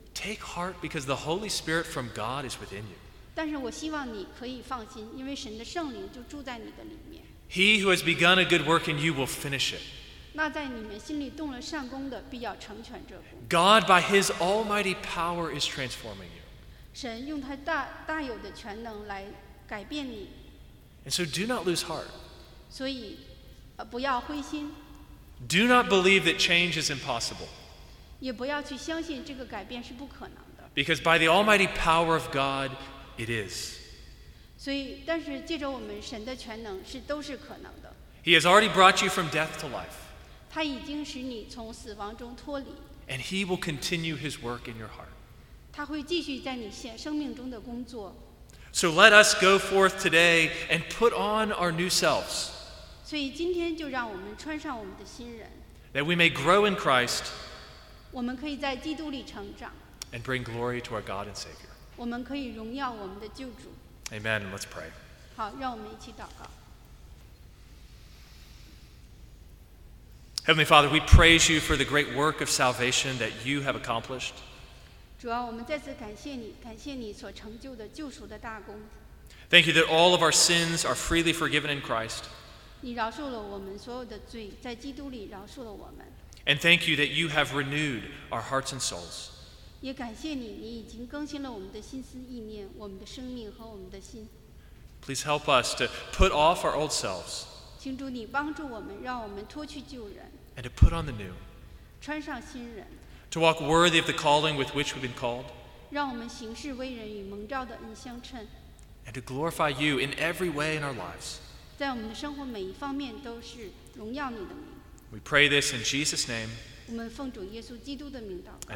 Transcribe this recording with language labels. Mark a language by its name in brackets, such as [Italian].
[English] Take heart because the Holy Spirit from God is within you. [Chinese] 但是我希望你可以放心，因为神的圣灵就住在你的里面。 [English] He who has begun a good work in you will finish it. [Chinese] 那在你们心里动了善功的，必要成全这功。 [English] God by His almighty power is transforming you. [Chinese] 神用他大有的全能来。改变你 [English] And so do not lose heart. [Chinese] 所以不要灰心 [English] Do not believe that change is impossible. [Chinese] 也不要去相信这个改变是不可能的 [English] Because by the almighty power of God, it is. [Chinese] 所以但是借着我们神的全能是都是可能的 [English] He has already brought you from death to life. [Chinese] 他已经使你从死亡中脱离 [English] And he will continue his work in your heart. [Chinese] 他会继续在你生命中的工作 [English] So let us go forth today and put on our new selves. [Chinese] 所以今天就让我们穿上我们的新人。 [English] That we may grow in Christ. [Chinese] 我们可以在基督里成长。 [English] And bring glory to our God and Savior. [Chinese] 我们可以荣耀我们的救主。 [English] Amen. Let's pray. [Chinese] 好，让我们一起祷告。 [English] Heavenly Father, we praise you for the great work of salvation that you have accomplished. [Chinese] 主啊，我们再次感谢你，感谢你所成就的救赎的大功。 [English] Thank you that all of our sins are freely forgiven in Christ. [Chinese] 你饶恕了我们所有的罪，在基督里饶恕了我们。 [English] And thank you that you have renewed our hearts and souls. [Chinese] 也感谢你，你已经更新了我们的心思意念，我们的生命和我们的心。 [English] Please help us to put off our old selves. [Chinese] 请主你帮助我们，让我们脱去旧人。 [English] And to put on the new. [Chinese] 穿上新人。 [English] To walk worthy of the calling with which we've been called. [Chinese] 让我们行事为人与蒙召的恩相称。 [English] And to glorify you in every way in our lives. [Chinese] 在我们的生活每一方面都是荣耀你的名。 [English] We pray this in Jesus' name. [Chinese] 我们奉主耶稣基督的名祷告。